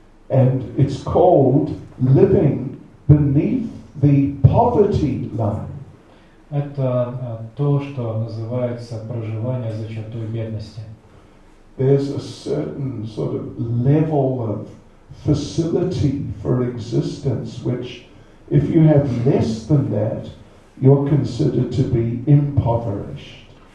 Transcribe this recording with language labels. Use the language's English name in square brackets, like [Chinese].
[English] And it's called living beneath the poverty line. [Russian] Это то, что называется проживание за чертой бедности. [English] There's a certain sort of level of facility for existence, which if you have less than that, you're considered to be impoverished.